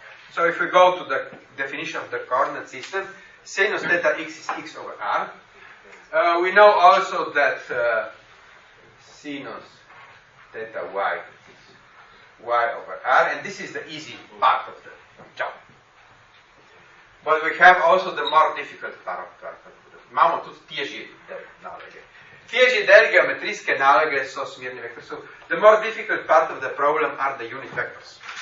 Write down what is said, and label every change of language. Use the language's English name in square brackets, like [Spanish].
[English] So if we go to the definition of the coordinate system, sinus theta x is x over R. We know also that sinus theta y is y over R, and this is the easy part of the job. But we have also the more difficult part. [Slovenian] Imamo tudi težje naloge. Težje del geometrijske naloge so smerni vektori. [English] So the more difficult part of the problem are the unit vectors.